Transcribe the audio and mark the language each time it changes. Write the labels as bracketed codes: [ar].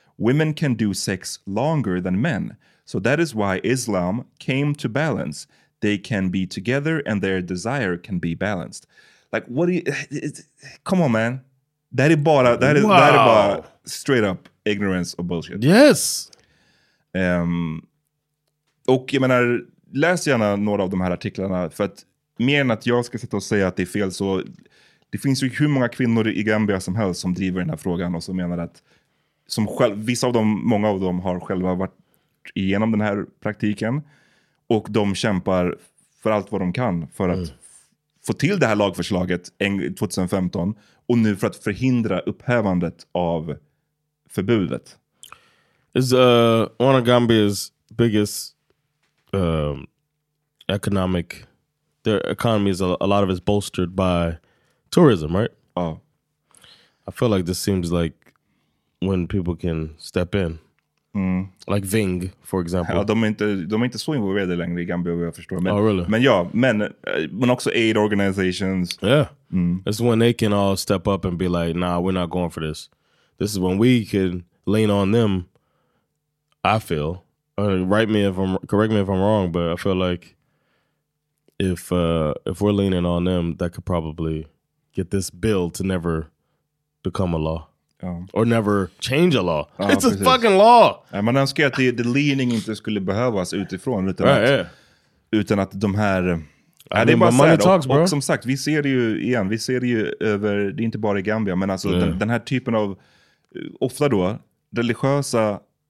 [en] Women can do sex longer than men. So that is why Islam came to balance. They can be together and their desire can be balanced. Like, what do you... come on, man. That is [sv] bara, [en] that is, wow. That is bara straight up ignorance of bullshit. Yes! [sv] Och jag menar, läs gärna några av de här artiklarna, för att mer än att jag ska sitta och säga att det är fel, så det finns ju hur många kvinnor i Gambia som helst som driver den här frågan och som menar att, som själv, vissa av dem, många av dem har själva varit igenom den här praktiken och de kämpar för allt vad de kan för att få till det här lagförslaget 2015 och nu för att förhindra upphävandet av förbudet. [en] Is one of Gambia's biggest economic, their economy is a lot of it's bolstered by tourism, right? Oh. I feel like this seems like when people can step in. Mm. Like Ving, for example. [sv] Ja, de är inte så involverade längre i Gambia, jag förstår. Men, [en] oh, really? [sv] men också [en] aid organizations. Yeah. Mm. It's when they can all step up and be like, nah, we're not going for this. This is when we can lean on them, I feel. Correct me if I'm wrong, but I feel like if we're leaning on them, that could probably get this bill to never become a law. [sv] Ja. [en] Or never change a law. Ja, it's [sv] precis. [en] A fucking law. [sv] Ja, man önskar att [en] the leaning [sv] inte skulle behövas utifrån. Utan, [en] right, [sv] att, [en] yeah. [sv] utan att de här... Ja, det mean, är bara så [en] talks, [sv] och som sagt, vi ser det ju igen. Vi ser det ju över... Det är inte bara i Gambia. Men alltså den här typen av... Ofta då, religiösa...